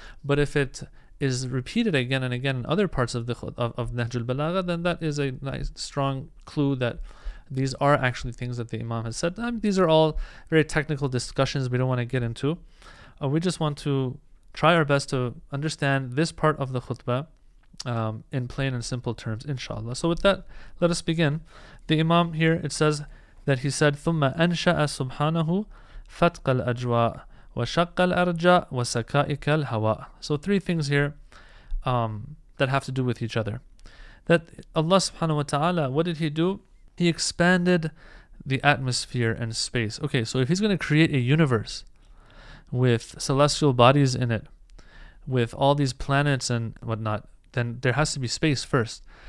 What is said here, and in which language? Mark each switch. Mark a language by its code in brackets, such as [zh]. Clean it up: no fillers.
[en] But if it is repeated again and again in other parts of the of Nahj al-Balagha, then that is a nice, strong clue that these are actually things that the imam has said. I mean, these are all very technical discussions we don't want to get into. We just want to try our best to understand this part of the khutbah in plain and simple terms, inshallah. So with that, let us begin. The imam here, it says that he said, [ar] ثُمَّ أَنْشَأَ سُبْحَانَهُ فَتْقَ الْأَجْوَاءِ وَشَقَّ الْأَرْجَاءِ وَسَكَائِكَ الْهَوَاءِ. [en] So three things here that have to do with each other. That Allah subhanahu wa ta'ala, what did he do? He expanded the atmosphere and space. Okay, so if he's going to create a universe with celestial bodies in it, with all these planets and whatnot, then there has to be space first.